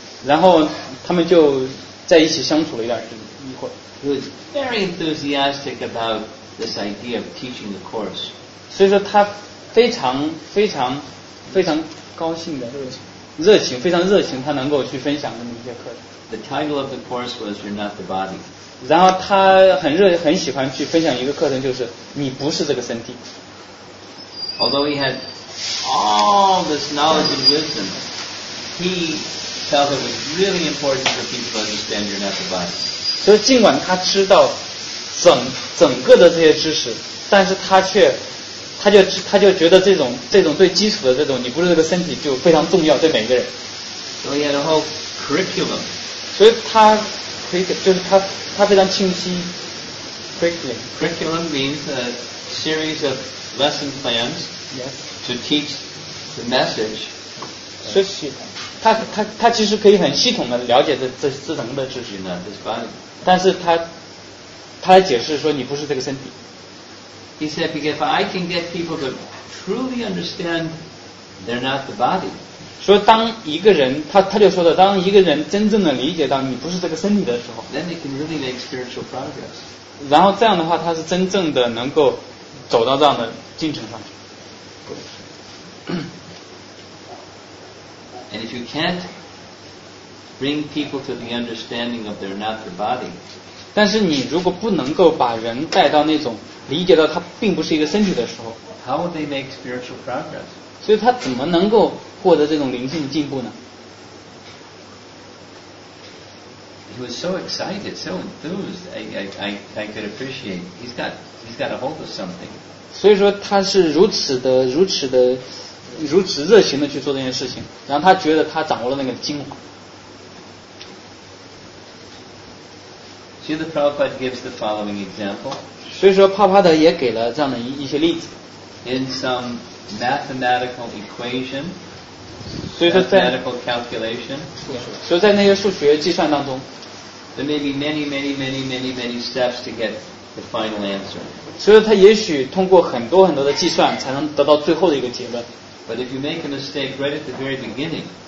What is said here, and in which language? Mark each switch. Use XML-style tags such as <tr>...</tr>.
<zh>然后他们就在一起相处了一会儿。</zh> <en>He was very enthusiastic about this idea of teaching the course.</en> <zh>所以说他非常非常非常高兴的热情，非常热情，他能够去分享那么一些课程。</zh> <en>The title of the course was "You're Not the Body."</en> <zh>然后他很喜欢去分享一个课程，就是你不是这个身体。</zh> <en>Although he had all this knowledge and wisdom, he felt it was really important for people to understand "You're Not the Body."</en> <zh>所以尽管他知道整个的这些知识，但是他就觉得这种最基础的这种你不是这个身体就非常重要，对每一个人。</zh> <en>So he had a whole curriculum.</en> <zh>所以他可以就是他非常清晰。</zh> <en>Curriculum. Curriculum means a series of lesson plans. Yes. To teach the message.</en> <zh>所以他其实可以很系统的了解这整个的知识呢。但是他来解释说你不是这个身体。</zh> <en>He said, "Because if I can get people to truly understand, they're not the body."</en> <zh>说当一个人，他就说的，当一个人真正的理解到你不是这个身体的时候</zh> <en>，then they can really make spiritual progress.</en> <zh>然后这样的话，他是真正的能够走到这样的进程上去。</zh> <en>And if you can't bring people to the understanding of they're not the body,</en> <zh>但是你如果不能够把人带到那种理解到他并不是一个身体的时候</zh> <en>，How would they make spiritual progress?</en> <zh>所以他怎么能够获得这种灵性进步呢</zh> <en>？He was so excited, so enthused. I could appreciate. He's got a hold of something.</en> <zh>所以说他是如此热情的去做这件事情，然后他觉得他掌握了那个精华。</zh> <en>See, the Prabhupada gives the following example.</en> <zh>所以说帕帕德也给了这样的一些例子。</zh> <en>In some mathematical equation,</en> <zh>所以说在</zh> <en>mathematical calculation,</en> <zh>所以在那些数学计算当中</zh> <en>，there may be many, many, many, many, many steps to get the final answer.</en> <zh>所以说他也许通过很多很多的计算才能得到最后的一个结论。</zh> <en>But if you make a mistake right at the very beginning,</en>